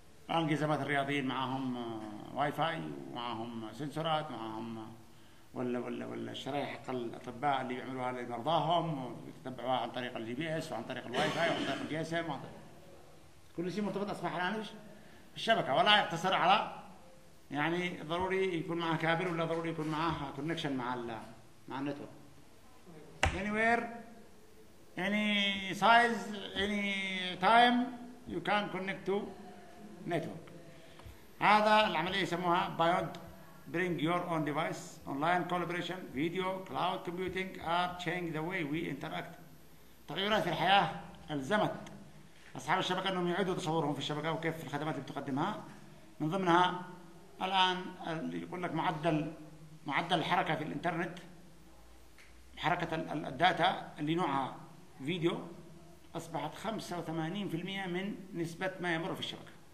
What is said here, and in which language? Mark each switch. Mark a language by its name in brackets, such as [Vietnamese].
[Arabic] الانجزامات الرياضيين معاهم واي فاي ومعاهم سنسورات معاهم والشرايح حق الاطباء اللي بيعملوها لمرضاهم ويتبعوها عن طريق الجي بي اس وعن طريق الواي فاي وعن طريق الجي اس ام، كل شيء مرتبط اصبح الان بالشبكه ولا يقتصر على يعني ضروري يكون معها كابل ولا ضروري يكون معها كونكشن مع النتورك. [English] anywhere any size any time you can connect to network. [Arabic] هذا العمليه يسموها بايوند [English] bring your own device. Online collaboration, video, cloud computing are changing the way we interact. [Arabic] تغيرات في الحياة ألزمت أصحاب الشبكة أنهم يعيدوا تصورهم في الشبكة وكيف الخدمات اللي بتقدمها. من ضمنها الآن يقول لك معدل الحركة في الإنترنت، حركة الداتا اللي نوعها فيديو أصبحت 85% من نسبة ما يمر في الشبكة.